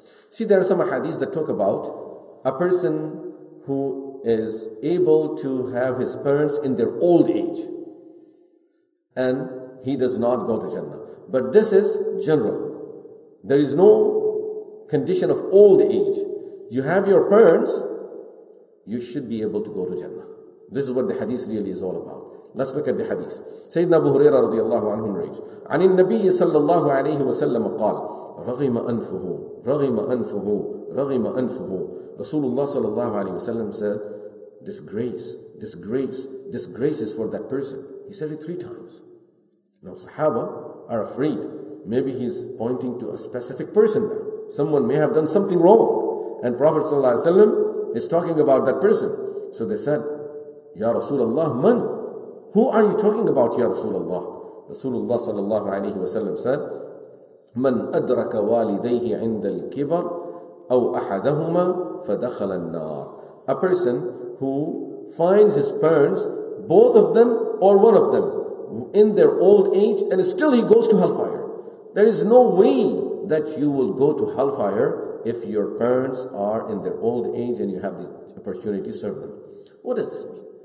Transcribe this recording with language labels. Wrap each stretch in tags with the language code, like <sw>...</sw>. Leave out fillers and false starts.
<en>See, there are some hadiths that talk about a person who is able to have his parents in their old age and he does not go to Jannah. But this is general. There is no condition of old age. You have your parents, you should be able to go to Jannah. This is what the hadith really is all about. Let's look at the hadith.</en> <ar>Sayyidina Abu Huraira radiallahu anhu narrates, عن النبي صلى الله عليه وسلم قال رغم أنفه رغم أنفه رغم أنفه.</ar> <en>Rasulullah sallallahu alayhi wa sallam said, disgrace, disgrace, disgrace is for that person. He said it three times. Now sahaba are afraid. Maybe he's pointing to a specific person now. Someone may have done something wrong. And Prophet sallallahu alayhi wa sallam is talking about that person. So they said, Ya Rasulullah, man? Who are you talking about, Ya Rasulullah?</en> <ar>Rasulullah sallallahu alayhi wa sallam said, من أدرك والديه عند الكبر أو أحدهما فدخل النار.</ar> <en>A person who finds his parents, both of them or one of them, in their old age and still he goes to hellfire. There is no way that you will go to hellfire if your parents are in their old age and you have the opportunity to serve them. What does this mean?</en>